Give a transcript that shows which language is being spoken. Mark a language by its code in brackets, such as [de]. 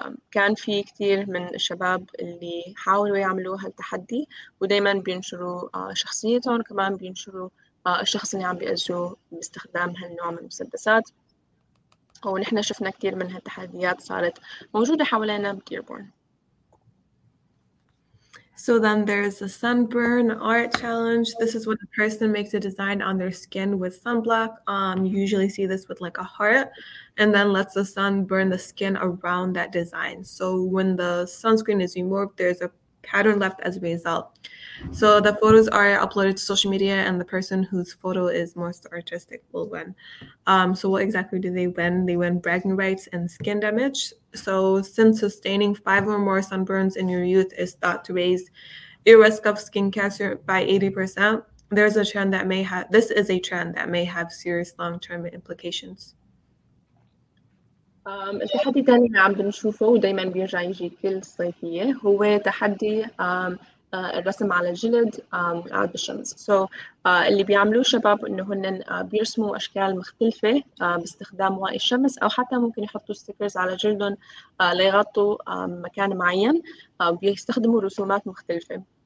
[ar] كان في كتير من الشباب اللي حاولوا يعملوا هالتحدي ودايما بينشروا شخصيتهم، كمان بينشروا الشخص اللي عم بيأذوا باستخدام هالنوع من المسدسات. ونحن شفنا كثير من هالتحديات صارت موجودة حوالينا بديربورن. [en] So then there's a sunburn art challenge. This is when a person makes a design on their skin with sunblock. You usually see this with like a heart, and then lets the sun burn the skin around that design. So when the sunscreen is removed, there's a pattern left as a result. So the photos are uploaded to social media, and the person whose photo is most artistic will win. So what exactly do they win? They win bragging rights and skin damage. So since sustaining 5 or more sunburns in your youth is thought to raise your risk of skin cancer by 80%, there's a trend that may have this is a trend that may have serious long-term implications. [ar] التحدي الثاني اللي عم بنشوفه ودائما بيرجع يجي كل صيفيه هو تحدي الرسم على الجلد والعاد بالشمس. سو اللي بيعملوه الشباب انه هن بيرسموا اشكال مختلفه باستخدام ضوء الشمس، او حتى ممكن يحطوا ستيكرز على جلدهم ليغطوا مكان معين، بيستخدموا رسومات مختلفه.